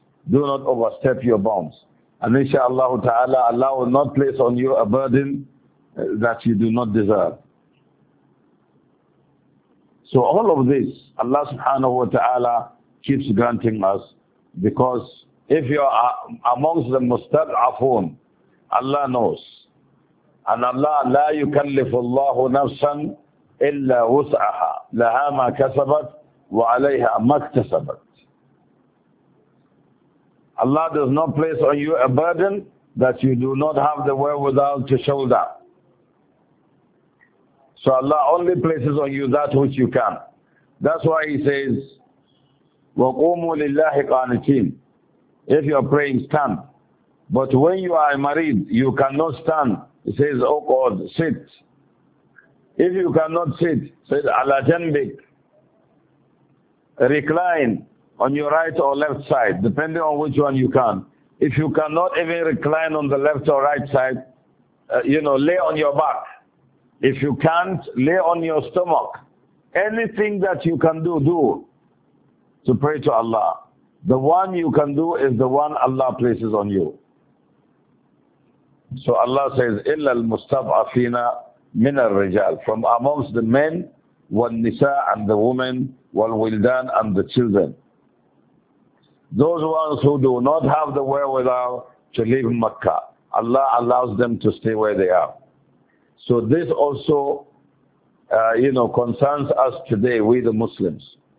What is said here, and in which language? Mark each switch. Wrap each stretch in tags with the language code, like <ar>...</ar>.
<en>Do not overstep your bounds. And inshallah ta'ala, Allah will not place on you a burden that you do not deserve. So all of this, Allah subhanahu wa ta'ala keeps granting us, because if you are amongst the mustad'afun, Allah knows. And Allah,</en> <ar>لا يكلف الله نفسا إلا وسعها لها ما كسبت وعليها ما اكتسبت.</ar> <en>Allah does not place on you a burden that you do not have the wherewithal to shoulder. So Allah only places on you that which you can. That's why He says,</en> <ar>وَقُومُوا لِلَّهِ قَانِتِينَ.</ar> <en>If you are praying, stand. But when you are a marid, you cannot stand. He says, oh God, sit. If you cannot sit, says</en> <ar>عَلَى جَنْبِكَ.</ar> <en>Recline on your right or left side, depending on which one you can. If you cannot even recline on the left or right side, lay on your back. If you can't, lay on your stomach. Anything that you can do, do to pray to Allah. The one you can do is the one Allah places on you. So Allah says,</en> <ar>إِلَّا الْمُسْتَضْعَفِينَ مِنَ الرِّجَالِ.</ar> <en>From amongst the men,</en> <ar>والنساء</ar> <en>and the women,</en> <ar>والولدان</ar> <en>and the children. Those ones who do not have the wherewithal to leave Makkah, Allah allows them to stay where they are. So this also, concerns us today, we the Muslims.</en>